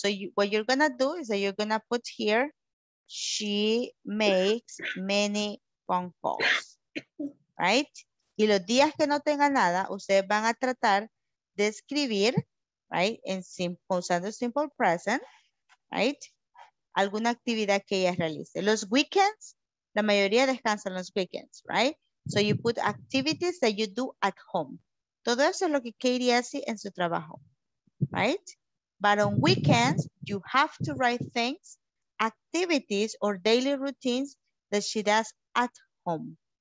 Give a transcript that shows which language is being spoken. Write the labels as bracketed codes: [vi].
[en] So what you're going to do is that you're going to put here, she makes many phone calls. Right? [es] Y los días que no tenga nada, ustedes van a tratar de escribir, right, usando simple present, right, alguna actividad que ella realice. Los weekends, la mayoría descansan los weekends, right? [en] So you put activities that you do at home. [es] Todo eso es lo que Katie hace en su trabajo, right? [en] But on weekends, you have to write things, activities or daily routines that she does at home.